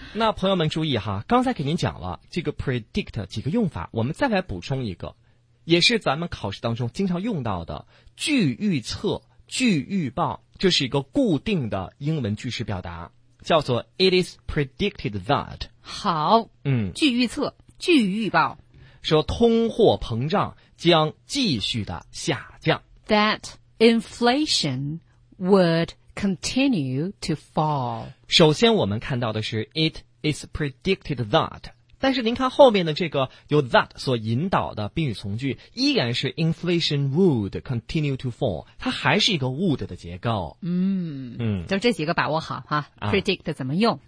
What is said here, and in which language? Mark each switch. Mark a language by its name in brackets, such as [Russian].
[Chinese] 那朋友们注意哈，刚才给您讲了这个 predict 几个用法，我们再来补充一个，也是咱们考试当中经常用到的，句预测句预报，这是一个固定的英文句式表达，叫做 [English] it is predicted that。 [Chinese] 好，句预测句预报，说通货膨胀将继续的下降， [English] thatInflation would continue to fall. [Chinese] 首先我们看到的是 [English] it is predicted that， [Chinese] 但是您看后面的这个由 that 所引导的宾语从句依然是 [English] inflation would continue to fall， [Chinese] 它还是一个 would 的结构。就这几个把握好哈、啊、 predict 怎么用，